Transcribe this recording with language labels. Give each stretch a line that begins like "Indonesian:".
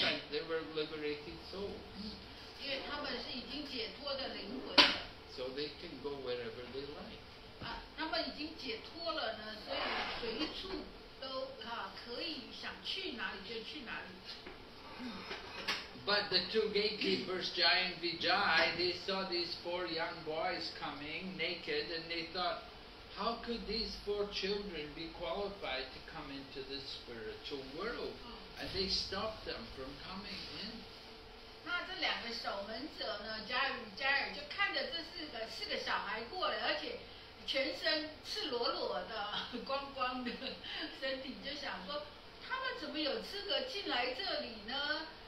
English: They were liberated souls.
Chinese: 因为他们是已经解脱的灵魂。So
English: they can go wherever they like.
Chinese: 他们已经解脱了呢，所以随处都可以想去哪里就去哪里。
English: But the two gatekeepers, Jai and Vijay, they saw these four young boys coming naked and they thought, how could these four children be qualified to come into the spiritual world? And they stopped them from coming in.
Chinese: 那这两个守门者呢，加尔就看着这四个四个小孩过来，而且全身赤裸裸的、光光的身体，就想说他们怎么有资格进来这里呢？